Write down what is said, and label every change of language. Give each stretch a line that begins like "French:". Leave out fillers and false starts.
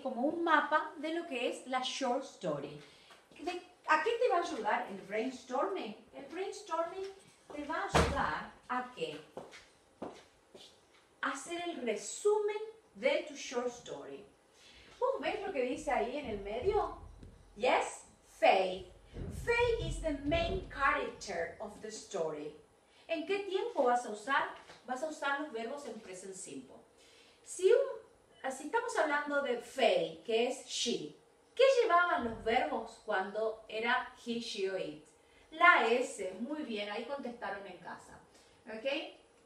Spanish: Como un mapa de lo que es la short story. ¿A qué te va a ayudar el brainstorming? El brainstorming te va a ayudar a qué? A hacer el resumen de tu short story. ¿Vos ves lo que dice ahí en el medio?
English: Yes, Faith. Faith is the main character of the story.
Spanish: ¿En qué tiempo vas a usar? Vas a usar los verbos en present simple. Si estamos hablando de Faith, que es she, ¿qué llevaban los verbos cuando era he, she o it? La S, muy bien, ahí contestaron en casa. ¿Ok?